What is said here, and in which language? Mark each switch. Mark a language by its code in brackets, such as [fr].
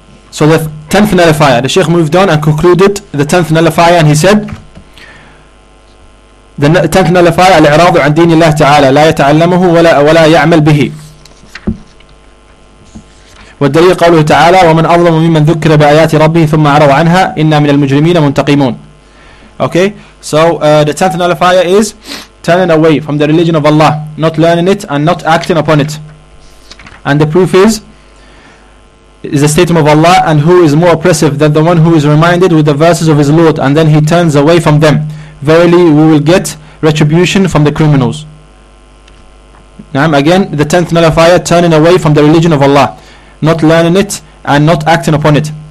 [en] So the 10th nullifier, the Shaykh moved on and concluded the 10th nullifier, and he said, the 10th nullifier, [ar] الإعراض عن دين الله تعالى لا يتعلمه ولا يعمل به. والدليل قوله تعالى ومن أظلم ممن ذكر بآيات ربه ثم أعرض عنها إنا من المجرمين منتقمون. [en] Okay, so the 10th nullifier is turning away from the religion of Allah, not learning it and not acting upon it. And the proof is the statement of Allah, and who is more oppressive than the one who is reminded with the verses of his Lord and then he turns away from them? Verily we will get retribution from the criminals. Now again, the 10th nullifier, turning away from the religion of Allah, not learning it and not acting upon it.